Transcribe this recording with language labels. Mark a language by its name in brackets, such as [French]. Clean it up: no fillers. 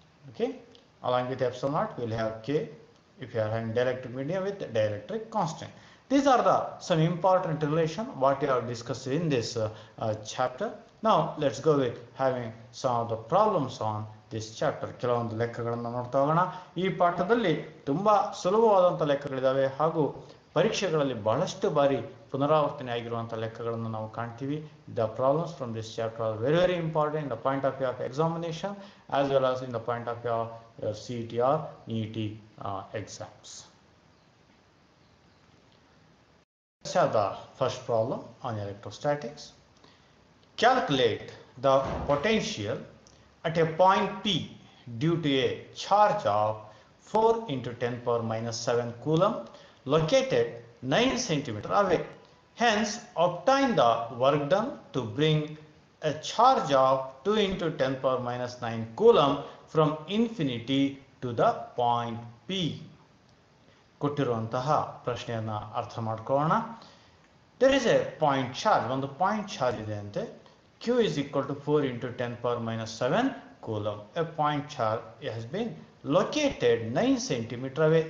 [English] Okay, along with epsilon naught, we'll have K if you are having dielectric medium with dielectric constant. These are the some important relation what we have discussed in this chapter. Now let's go with having some of the problems on this chapter. [Kannada] ಕೆಲವೊಂದು ಲೆಕ್ಕಗಳನ್ನು ನೋಡ್ತಾ ಹೋಗೋಣ. ಈ ಪಾಠದಲ್ಲಿ ತುಂಬಾ ಸುಲಭವಾದಂಥ ಲೆಕ್ಕಗಳಿದ್ದಾವೆ, ಹಾಗೂ ಪರೀಕ್ಷೆಗಳಲ್ಲಿ ಬಹಳಷ್ಟು ಬಾರಿ ಪುನರಾವರ್ತನೆ ಆಗಿರುವಂಥ ಲೆಕ್ಕಗಳನ್ನು ನಾವು ಕಾಣ್ತೀವಿ. [English] The problems from this chapter are very very important the point of view of examination as well as in the point of view of your C E T R E T exams. First problem on electrostatics. Calculate the potential at a point P due to a charge of 4 into 10 power minus 7 coulomb located 9 centimeter away. Hence, obtain the work done to bring a charge of 2 into 10 power minus 9 coulomb from infinity to the point P. [Kannada] ಕೊಟ್ಟಿರುವಂತಹ ಪ್ರಶ್ನೆಯನ್ನು ಅರ್ಥ ಮಾಡ್ಕೋಣ. [English] there is a point charge, [Kannada] ಒಂದು point charge ಇದೆ ಅಂತೆ. [English] Q is equal to 4 into 10 power minus 7 coulomb. A point charge has been located 9 centimeter away.